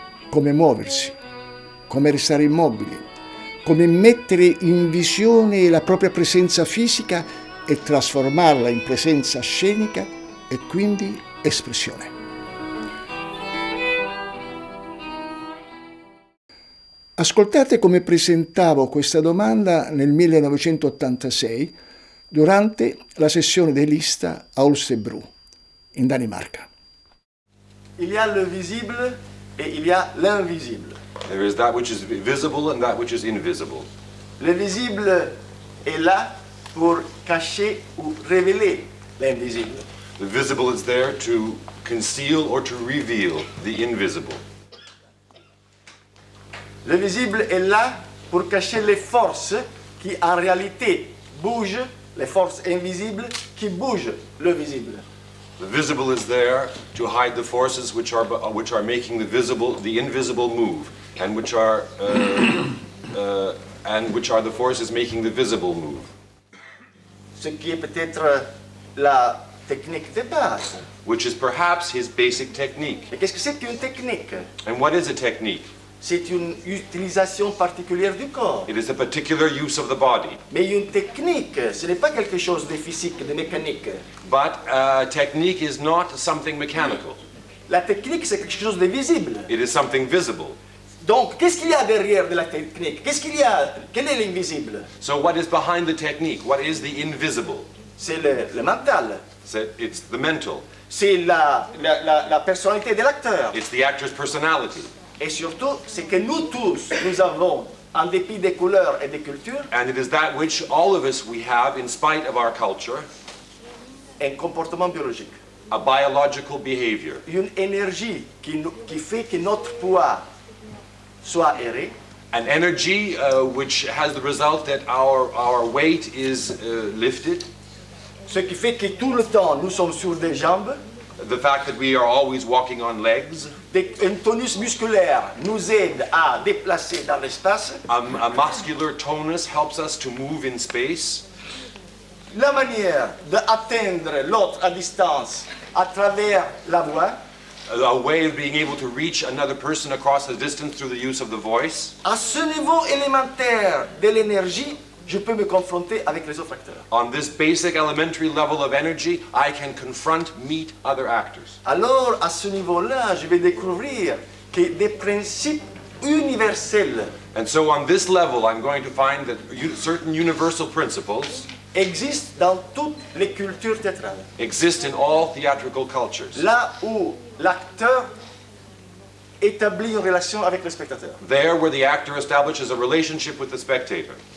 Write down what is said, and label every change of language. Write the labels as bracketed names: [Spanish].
[Italian] Come muoversi, come restare immobili, come mettere in visione la propria presenza fisica e trasformarla in presenza scenica e quindi espressione. Ascoltate come presentavo questa domanda nel 1986 durante la sessione dell'ISTA a Holstebro, in Danimarca. [French] Il y a le visible et il y a l'invisible. [English] There is that which is visible and that which is invisible. [French] Le visible est là pour cacher ou révéler l'invisible. [English] The visible is there to conceal or to reveal the invisible. [French] Le visible est là pour cacher les forces qui en réalité bougent, les forces invisibles qui bougent le visible. [English] The visible is there to hide the forces which are making the invisible move and which are the forces making the visible move. [French] Ce qui est peut-être la technique de base. [English] Which is perhaps his basic technique. [French] Mais qu'est-ce que c'est qu'une technique? [English] And what is a technique? [French] C'est une utilisation particulière du corps. [English] It is a particular use of the body. [French] Mais une technique, ce n'est pas quelque chose de physique, de mécanique. [English] But a technique is not something mechanical. [French] La technique, c'est quelque chose de visible. [English] It is something visible. [French] Donc, qu'est-ce qu'il y a derrière de la technique? Qu'est-ce qu'il y a? Quel est l'invisible? [English] So what is behind the technique? What is the invisible? [French] C'est le mental. [English] It's the mental. [French] C'est la personnalité de l'acteur. [English] It's the actor's personality. [French] Et surtout, c'est que nous tous, nous avons, en dépit des couleurs et des cultures, [English] and it is that which all of us we have, in spite of our culture, [French] un comportement biologique, [English] a biological behavior, [French] une énergie qui fait que notre poids soit erré, [English] an energy which has the result that our weight is lifted, [French] ce qui fait que tout le temps nous sommes sur des jambes. [English] The fact that we are always walking on legs. [French] Un tonus musculaire nous aide à déplacer dans l'espace. [English] A muscular tonus helps us to move in space. [French] La manière d'atteindre l'autre à distance à travers la voix. [English] A way of being able to reach another person across the distance through the use of the voice. [French] À ce niveau élémentaire de l'énergie, je peux me confronter avec les autres acteurs. [English] On this basic elementary level of energy, I can confront, meet other actors. [French] Alors, à ce niveau-là, je vais découvrir que des principes universels. [English] And so on this level, I'm going to find that certain universal principles [French] existent dans toutes les cultures théâtrales. [English] Exist in all theatrical cultures. [French] Là où l'acteur établit une relation avec le spectateur. [English] There where the actor establishes a relationship with the spectator.